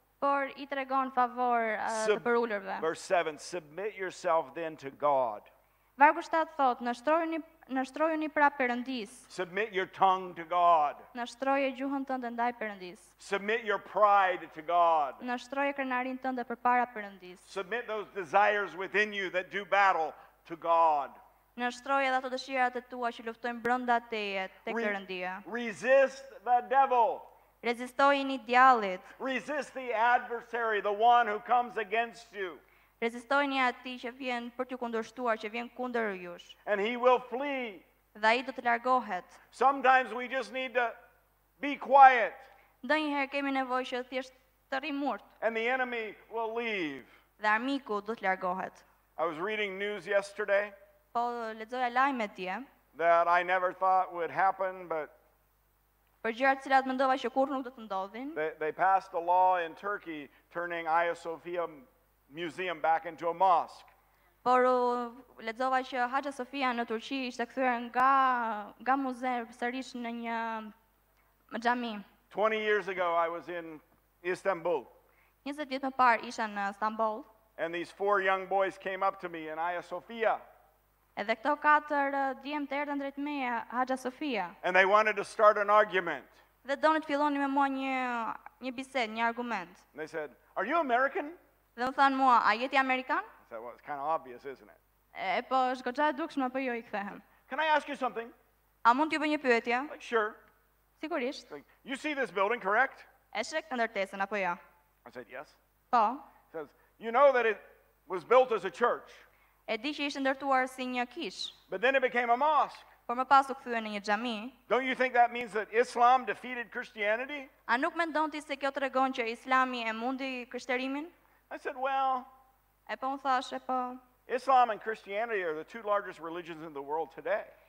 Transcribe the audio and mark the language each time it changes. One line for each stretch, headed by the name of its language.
Albanian: Por I tregon favor të përulurve.
English: Verse 7, submit yourself then to God.
Albanian: Vargu 7 thot, nështrojuni pra Perëndis.
English: Submit your tongue to God.
Albanian: Nështroje gjuhën tënde ndaj Perëndis.
English: Submit your pride to God.
Albanian: Nështroje krenarinë tënde përpara Perëndis.
English: Submit those desires within you that do battle to God.
Albanian: Nështroje ato dëshirat e tua që luftojnë brenda teje tek Perëndia.
English: Resist the devil.
Albanian: Rezistojini djallit.
English: Resist the adversary, the one who comes against you.
Albanian: Rezistojini atij që vjen për t'ju kundërshtuar, që vjen kundër jush.
English: And he will flee.
Albanian: Dhe ai do të largohet.
English: Sometimes we just need to be quiet.
Albanian: Ndonjëherë kemi nevojë që thjesht të rrim murt.
English: And the enemy will leave.
Albanian: Dhe armiku do të largohet.
English: I was reading news yesterday.
Albanian: Po lexoja lajme dje.
English: That I never thought would happen, but They passed a law in Turkey turning Hagia Sophia Museum back into a mosque.
Albanian: Por lexova që Hagia Sophia në Turqi ishte kthyer nga muze sërish në një xhami.
English: 20 years ago I was in Istanbul.
Albanian: 20 vjet më parë isha në Istanbul.
English: And these four young boys came up to me in Hagia Sophia.
Albanian: Edhe këto katër djemtë erdhën drejt meje, Hagia Sophia.
English: And they wanted to start an argument.
Albanian: Dhe donin të fillonin me mua një bisedë, një argument.
English: And they said, "Are you American?"
Albanian: Dhe më than mua, "A jeti amerikan?"
English: I said, "Well, it's kind of obvious, isn't it?"
Albanian: E po, është goxha e dukshme, po jo I kthehem.
English: "Can I ask you something?"
Albanian: A mund t'ju bëj një pyetje?
English: Like, sure.
Albanian: Sigurisht.
English: Like, "You see this building, correct?"
Albanian: E shek ndërtesën apo jo?
English: I said, "Yes."
Albanian: Po.
English: He says, "You know that it was built as a church."
Albanian: E di që ishte ndërtuar si një kish.
English: But then it became a mosque.
Albanian: Por më pas u kthye në një xhami.
English: Don't you think that means that Islam defeated Christianity?
Albanian: A nuk mendon ti se kjo tregon që Islami e mundi krishterimin?
English: I said, well.
Albanian: E po thash, e po.
English: Islam and Christianity are the two largest religions in the world today.